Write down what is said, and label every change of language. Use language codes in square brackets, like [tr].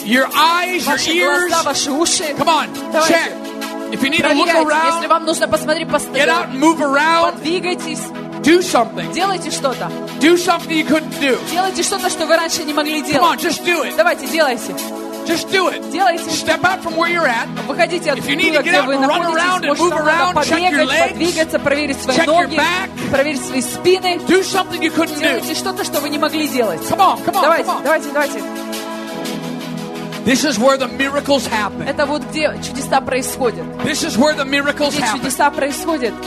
[en] your eyes, [ru] ваши [en] your [ru] глаза, [en] ears. [ru] Ваши уши. [en] Come on, [ru] давайте. [en] Check. If you need [ru] проверяйте. [en] To look around, [ru] если вам нужно посмотреть по [en] get out and move around. [ru] Подвигайтесь. [en] Do something. [ru] Делайте что-то. [en] Do something you couldn't do. [ru] Делайте что-то, что вы раньше не могли делать. [en] Come on, just do it. [ru] Давайте, делайте. [en] Just do it. [ru] Делайте. [en] Step out from where you're at. [ru] Выходите [en] if you need to get out and run around and move around, check your legs, [ru] подвигаться, проверить свои [en] check [ru] ноги, [en] your back. [ru] Проверить свои спины. [en] Do something you couldn't [ru] делайте Делайте что-то, что вы не могли делать. [en] Come on, come on, [ru] давайте, [en] come on. [ru] Давайте, давайте. [en] This is where the miracles happen. [ru] Это вот где чудеса происходят. [en] This is where the miracles happen. [ru] Где чудеса происходят.